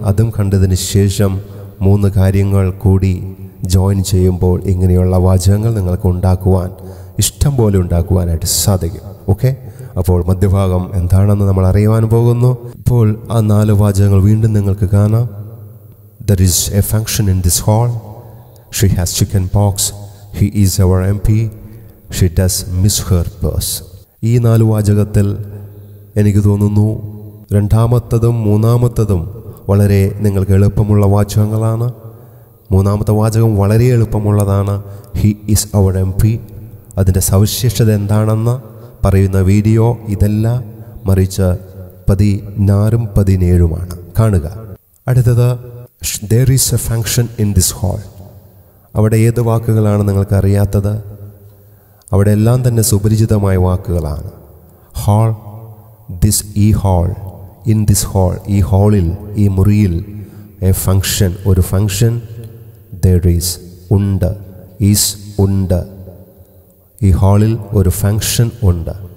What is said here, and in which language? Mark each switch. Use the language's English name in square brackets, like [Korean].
[Malayalam] അതും കണ്ടതിന് ശേഷം മൂന്ന് കാര്യങ്ങൾ കൂടി ജോയിൻ ചെയ്യുമ്പോൾ ഇങ്ങനെയുള്ള വാചകങ്ങൾ നിങ്ങൾക്ക് ഉണ്ടാക്കുവാൻ, ഇഷ്ടം പോലെ ഉണ്ടാക്കുവാനായിട്ട് സാധിക്കും. ഓക്കെ, അപ്പോൾ മധ്യഭാഗം എന്താണെന്ന് നമ്മൾ അറിയുവാൻ പോകുന്നു. ഇപ്പോൾ ആ നാല് വാചകങ്ങൾ വീണ്ടും നിങ്ങൾക്ക് കാണാം. [English] There is a function in this hall. She has chicken pox. He is our MP. She does miss her purse. [Malayalam] ഈ നാല് വാചകത്തിൽ എനിക്ക് തോന്നുന്നു രണ്ടാമത്തതും മൂന്നാമത്തതും വളരെ നിങ്ങൾക്ക് എളുപ്പമുള്ള വാചകങ്ങളാണ്. മൂന്നാമത്തെ വാചകം വളരെ എളുപ്പമുള്ളതാണ്. [English] He is our MP. [Malayalam] അതിൻ്റെ സവിശേഷത എന്താണെന്ന് പറയുന്ന വീഡിയോ ഇതല്ല, മറിച്ച് 14ഉം 17ഉമാണ്. കാണുക. [English] അടുത്തത്, There is a function in this hall. [Malayalam] അവിടെ ഏത് വാക്കുകളാണ് നിങ്ങൾക്കറിയാത്തത്? അവിടെ എല്ലാം തന്നെ സുപരിചിതമായ വാക്കുകളാണ്. ഹാൾ, ദിസ്, ഈ ഹാൾ, [English] in this hall, [Malayalam] ഈ ഹാളിൽ, ഈ മുറിയിൽ, എ ഫങ്ഷൻ, ഒരു ഫങ്ഷൻ, ദേർ ഈസ്, ഉണ്ട്, ഈസ്, ഉണ്ട്, ഈ ഹാളിൽ ഒരു ഫങ്ഷൻ ഉണ്ട്.